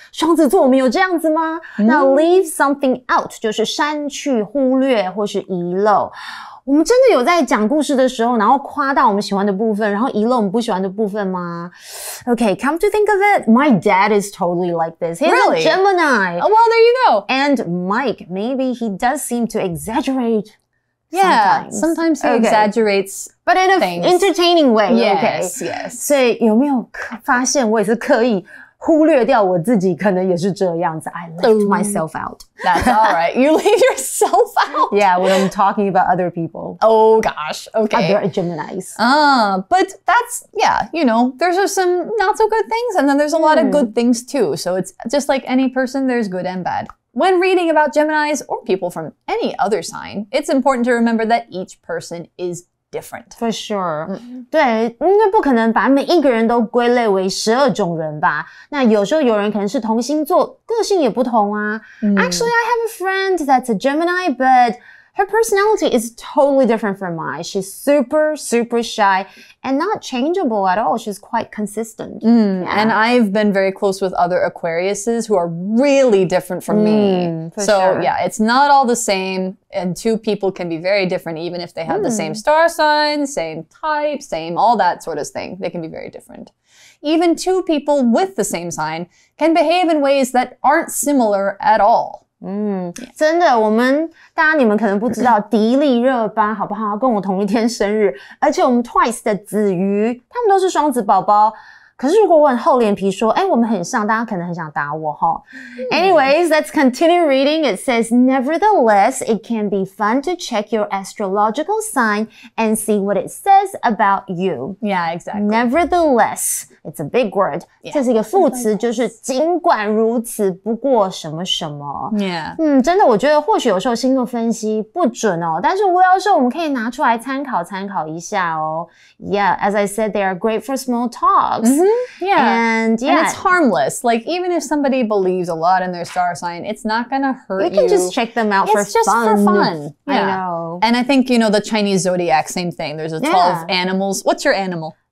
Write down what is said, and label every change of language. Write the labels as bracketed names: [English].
[Chinese] 双子座我们有这样子吗？那 leave something out 就是删去、忽略或是遗漏。我们真的有在讲故事的时候，然后夸大我们喜欢的部分，然后遗漏我们不喜欢的部分吗？ [English] Okay, come to think of it, my dad is totally like this. He's really? A Gemini. Oh, well, there you go. And Mike, maybe he does seem to exaggerate. Yeah, sometimes he exaggerates. But in an entertaining way. Yes, okay. Yes. [Chinese] 所以有没有发现我也是刻意忽略掉我自己可能也是这样子 I left myself out. [English] That's all right. You leave yourself out? Yeah, when I'm talking about other people. Oh gosh, okay. Other Geminis. But that's, yeah, you know, there's some not so good things and then there's a lot of good things too. So it's just like any person, there's good and bad. When reading about Geminis or people from any other sign, it's important to remember that each person is different. For sure. [Chinese] 对，应该不可能把每一个人都归类为十二种人吧。那有时候有人可能是同星座，个性也不同啊。 [English] Actually, I have a friend that's a Gemini, but her personality is totally different from mine. She's super, super shy and not changeable at all. She's quite consistent. And I've been very close with other Aquariuses who are really different from me. So, it's not all the same. And two people can be very different, even if they have the same star sign, same type, same all that sort of thing. They can be very different. Even two people with the same sign can behave in ways that aren't similar at all. [Chinese] 真的我们大家你们可能不知道迪丽热巴好不好跟我同一天生日而且我们 Twice 的子瑜他们都是双子宝宝可是如果我很厚脸皮说诶我们很像大家可能很想打我齁。 [English] Anyways, let's continue reading. It says, Nevertheless, it can be fun to check your astrological sign and see what it says about you. Yeah, exactly. Nevertheless, it's a big word. Yeah. [Chinese] 这是一个副词就是尽管如此不过什么什么。 [English] Yeah. [Chinese] 真的我觉得或许有时候星座分析不准哦但是我要说我们可以拿出来参考参考一下哦。 [English] Yeah, as I said, they are great for small talks. And it's harmless. Like, even if somebody believes a lot in their star sign, it's not going to hurt you. You can just check them out for fun. It's just for fun. Yeah. I know. And I think, you know, the Chinese zodiac, same thing. There's a 12 animals. What's your animal?